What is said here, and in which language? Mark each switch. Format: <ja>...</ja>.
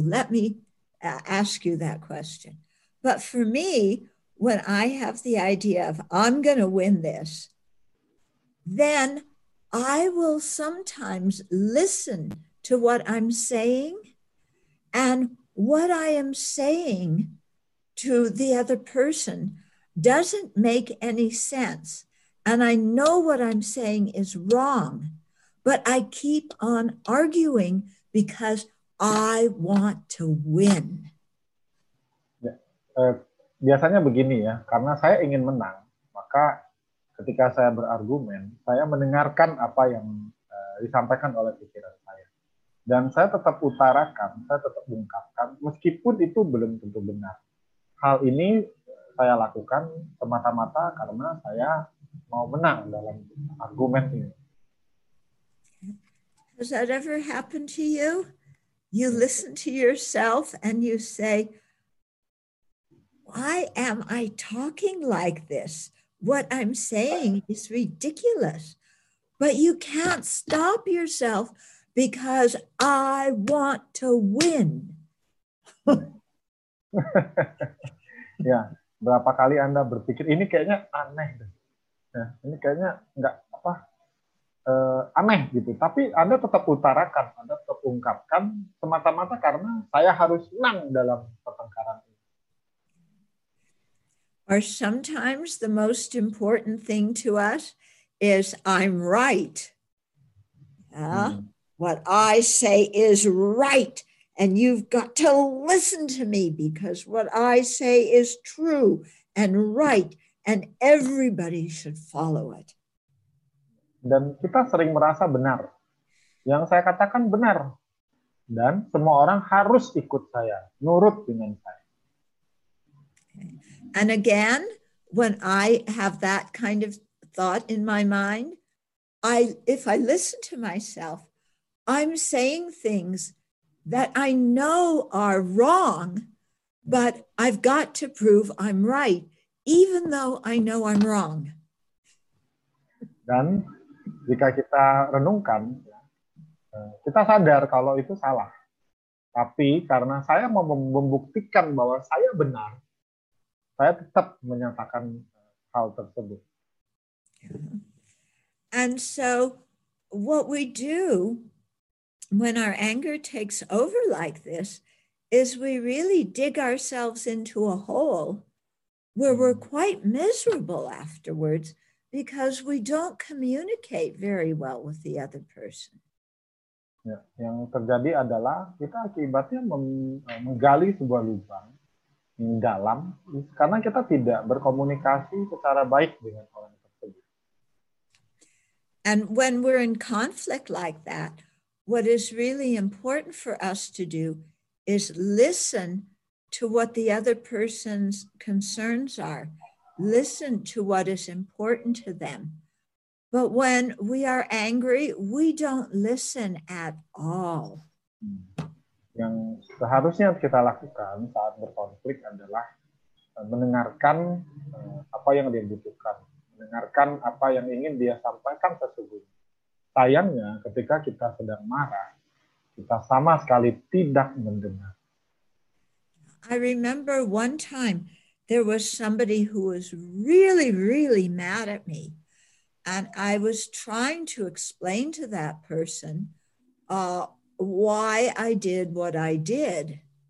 <en>Let me ask you that question. But for me, when I have the idea of I'm going to win this, then I will sometimes listen to what I'm saying, and what I am saying to the other person doesn't make any sense. And I know what I'm saying is wrong, but I keep on arguing because I want to win.</en> <id>Biasanya begini ya, karena saya ingin menang, maka ketika saya berargumen, saya mendengarkan apa yang disampaikan oleh pikiran saya. Dan saya tetap utarakan, saya tetap ungkapkan, meskipun itu belum tentu benar. Hal ini saya lakukan semata-mata karena saya mau menang dalam argumen ini.</id> <en>Has that ever happened to you? You listen to yourself and you say, why am I talking like this? What I'm saying is ridiculous. But you can't stop yourself because I want to win.</en> <id>Ya, berapa kali Anda berpikir ini kayaknya aneh deh. Ya, ini kayaknya enggak apa? Aneh gitu. Tapi Anda tetap utarakan, Anda tetap ungkapkan semata-mata karena saya harus menang dalam pertengkaran.</id> <en>Or sometimes the most important thing to us is, I'm right. What I say is right. And you've got to listen to me because what I say is true and right. And everybody should follow it.</en> <id>Dan kita sering merasa benar. Yang saya katakan benar. Dan semua orang harus ikut saya, nurut dengan saya.</id> <en>And again, when I have that kind of thought in my mind, if I listen to myself, I'm saying things that I know are wrong, but I've got to prove I'm right, even though I know I'm wrong.</en> <id>Dan jika kita renungkan, kita sadar kalau itu salah. Tapi karena saya mau membuktikan bahwa saya benar, saya tetap menyatakan hal tersebut.</id> <en>And so what we do when our anger takes over like this is we really dig ourselves into a hole where we're quite miserable afterwards because we don't communicate very well with the other person.</en> <id>Ya, yang terjadi adalah kita akibatnya menggali sebuah lubang dalam karena kita tidak berkomunikasi secara baik dengan orang tersebut.</id> <en>And when we're in conflict like that, what is really important for us to do is listen to what the other person's concerns are. Listen to what is important to them. But when we are angry, we don't listen at all.</en> <id>Yang seharusnya kita lakukan saat berkonflik adalah mendengarkan apa yang dia butuhkan, mendengarkan apa yang ingin dia sampaikan sesungguhnya. Sayangnya, ketika kita sedang marah, kita sama sekali tidak mendengar.</id> <en>I remember one time there was somebody who was really, really mad at me. And I was trying to explain to that person why I did what I did.</en>